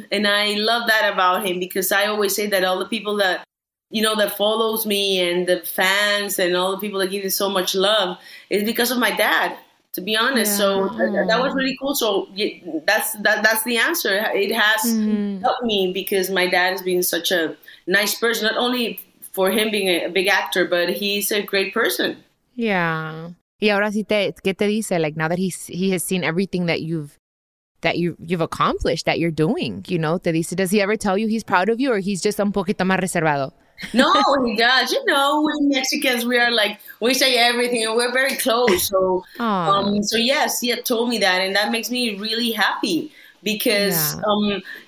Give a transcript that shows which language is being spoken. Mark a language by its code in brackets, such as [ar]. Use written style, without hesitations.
[en] And I love that about him, because I always say that all the people that, you know, that follows me and the fans and all the people that give me so much love is because of my dad. To be honest, yeah. so that was really cool. So that's the answer. It has mm-hmm. helped me because my dad has been such a nice person, not only for him being a big actor, but he's a great person. [es] Yeah. Y ahora sí te, ¿qué te dice? [en] Like, now that he has seen everything that you've accomplished, that you're doing, you know, [es] te dice, [en] does he ever tell you he's proud of you, or he's just [es] un poquito más reservado? [en] No, he does. You know, we Mexicans, we are like, we say everything and we're very close. So, so yes, he had told me that. And that makes me really happy, because yeah.